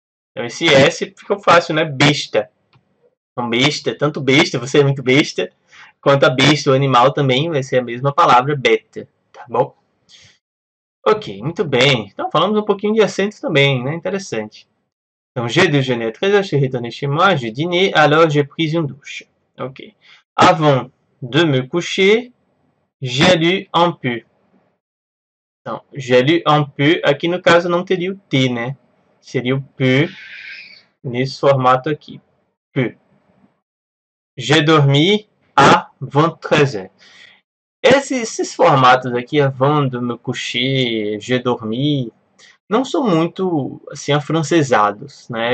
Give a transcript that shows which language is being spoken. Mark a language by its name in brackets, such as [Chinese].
[Portuguese] Então, esse S ficou fácil, né? Besta. Então, besta, tanto besta, você é muito besta, quanto a besta, o animal também, vai ser a mesma palavra, bete, tá bom? Ok, muito bem. Então, falamos um pouquinho de acentos também, né? Interessante. [French] Então, j'ai déjeuné à 13h, j'ai retourné chez moi, j'ai dîné, alors j'ai pris une douche. Ok. Avant de me coucher, j'ai lu un peu. [Portuguese] Então, [French] j'ai lu un peu, [Portuguese] aqui no caso não teria o T, né? Seria o peu nesse formato aqui. Peu. [French] J'ai dormi avant 13h. [Portuguese] Esses formatos aqui, [French] avant de me coucher, je dormi, [Portuguese] não são muito assim afrancesados, né?